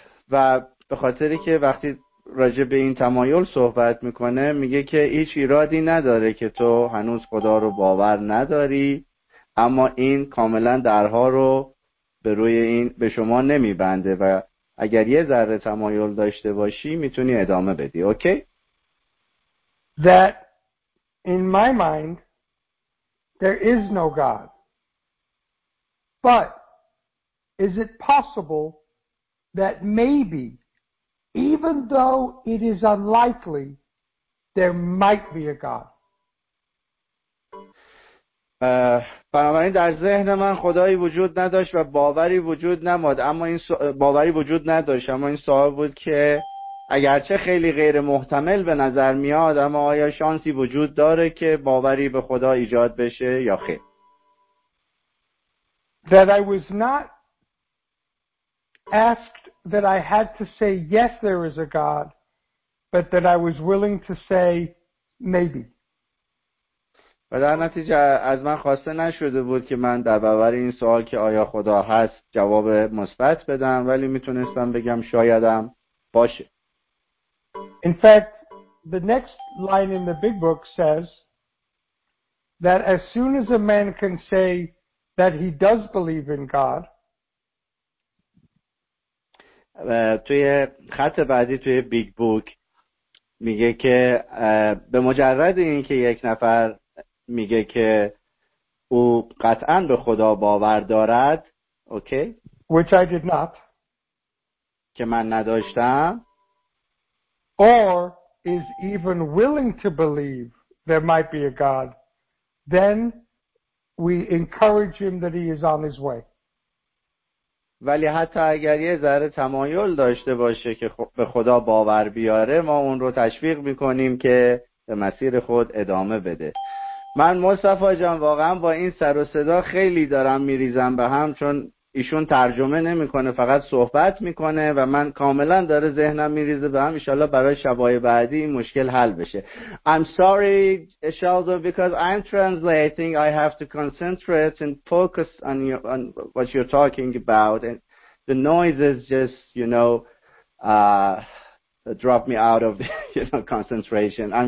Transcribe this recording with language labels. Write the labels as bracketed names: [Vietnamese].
[Persian] و به خاطری که وقتی راجع به این تمایل صحبت میکنه میگه که هیچ ایرادی نداره که تو هنوز خدا رو باور نداری، اما این کاملا درها رو به روی این به شما نمیبنده و اگر یه ذره تمایل داشته باشی میتونی ادامه بدی. اوکی؟ [English] that in my mind, there is no God. But is it possible that maybe, even though it is unlikely, there might be a God? [Persian] بنابراین در ذهن من خدایی وجود نداشت و باوری وجود نماد اما این باوری وجود نداشت اما این سوال بود که اگرچه خیلی غیر محتمل به نظر میاد اما آیا شانسی وجود داره که باوری به خدا ایجاد بشه یا خیر. [English] That I was not asked that I had to say yes there is a God but that I was willing to say maybe. [Persian] و در نتیجه از من خواسته نشده بود که من در برابر این سوال که آیا خدا هست جواب مثبت بدم ولی میتونستم بگم شایدم باشه. [English] In fact, the next line in the big book says that as soon as a man can say that he does believe in God, [Persian] توی خط بعدی توی بیگ بوک میگه که به مجرد اینکه یک نفر میگه که او قطعا به خدا باور دارد اوکی [English] which I did not [Persian] که من نداشتم [English] or is even willing to believe there might be a God then we encourage him that he is on his way [Persian] ولی حتی اگر یه ذره تمایل داشته باشه که به خدا باور بیاره ما اون رو تشویق میکنیم که به مسیر خود ادامه بده. من مصطفی جان واقعا با این سر و صدا خیلی دارم میریزم به هم چون ایشون ترجمه نمیکنه فقط صحبت میکنه و من کاملا داره ذهنم میریزه به هم. ایشالله برای شبای بعدی این مشکل حل بشه. [English] I'm sorry Sheldon because I'm translating I have to concentrate and focus on what you're talking about and the noise is just you know drop me out of you know concentration.